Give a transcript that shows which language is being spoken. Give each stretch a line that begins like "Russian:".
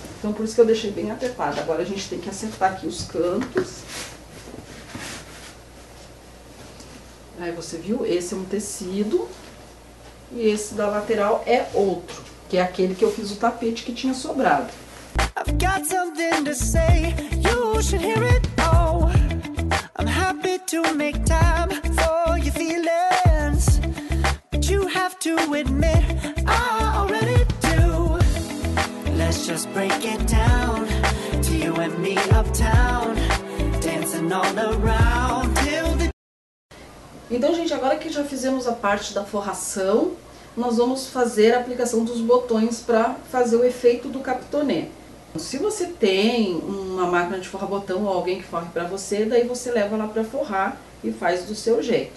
Portuguese: Então por isso que eu deixei bem apertado. Agora a gente tem que acertar aqui os cantos. Aí você viu, esse é um tecido e esse da lateral é outro, que é aquele que eu fiz o tapete que tinha sobrado.
English: I've got something to say, you should hear it all. I'm happy to make time for your feelings, but you have to admit I already do. Let's just break it down to you and me uptown, dancing all around till the...
Portuguese: Então, gente, agora que já fizemos a parte da forração, nós vamos fazer a aplicação dos botões para fazer o efeito do capitonê. Se você tem uma máquina de forrar botão ou alguém que forre para você, daí você leva lá para forrar e faz do seu jeito.